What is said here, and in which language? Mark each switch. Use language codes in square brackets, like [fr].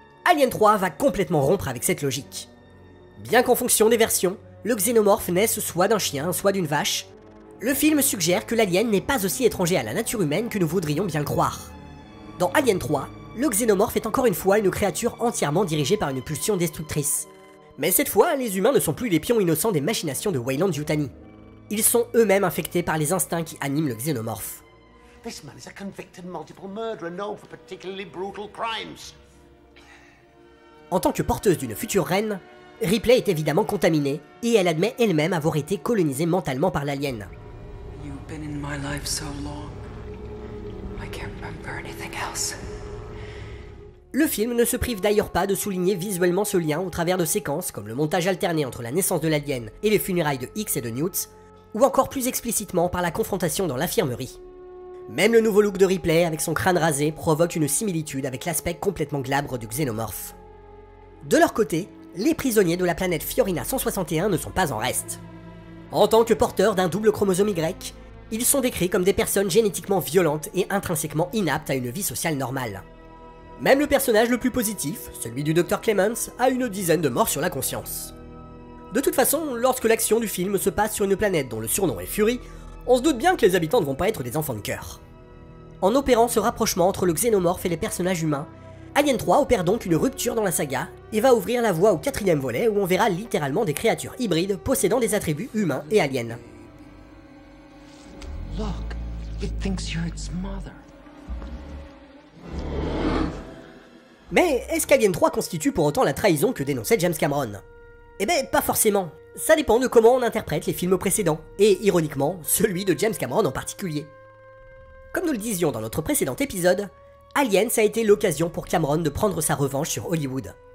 [fr] Alien 3 va complètement rompre avec cette logique. Bien qu'en fonction des versions, le xénomorphe naisse soit d'un chien, soit d'une vache, le film suggère que l'alien n'est pas aussi étranger à la nature humaine que nous voudrions bien le croire. Dans Alien 3, le xénomorphe est encore une fois une créature entièrement dirigée par une pulsion destructrice. Mais cette fois, les humains ne sont plus les pions innocents des machinations de Weyland Yutani. Ils sont eux-mêmes infectés par les instincts qui animent le xénomorphe. [en] This man is a convicted multiple murderer known for particularly brutal crimes. [fr] En tant que porteuse d'une future reine, Ripley est évidemment contaminée et elle admet elle-même avoir été colonisée mentalement par l'alien. [en] You've been in my life so long, I can't remember anything else. [fr] Le film ne se prive d'ailleurs pas de souligner visuellement ce lien au travers de séquences comme le montage alterné entre la naissance de l'alien et les funérailles de X et de Newt, ou encore plus explicitement par la confrontation dans l'infirmerie. Même le nouveau look de Ripley avec son crâne rasé provoque une similitude avec l'aspect complètement glabre du xénomorphe. De leur côté, les prisonniers de la planète Fiorina 161 ne sont pas en reste. En tant que porteurs d'un double chromosome Y, ils sont décrits comme des personnes génétiquement violentes et intrinsèquement inaptes à une vie sociale normale. Même le personnage le plus positif, celui du Dr. Clemens, a une dizaine de morts sur la conscience. De toute façon, lorsque l'action du film se passe sur une planète dont le surnom est Fury, on se doute bien que les habitants ne vont pas être des enfants de cœur. En opérant ce rapprochement entre le xénomorphe et les personnages humains, Alien 3 opère donc une rupture dans la saga et va ouvrir la voie au quatrième volet où on verra littéralement des créatures hybrides possédant des attributs humains et aliens. [en] Look, it thinks you're its mother. [fr] Mais est-ce qu'Alien 3 constitue pour autant la trahison que dénonçait James Cameron ? Eh ben, pas forcément. Ça dépend de comment on interprète les films précédents, et ironiquement, celui de James Cameron en particulier. Comme nous le disions dans notre précédent épisode, Aliens a été l'occasion pour Cameron de prendre sa revanche sur Hollywood.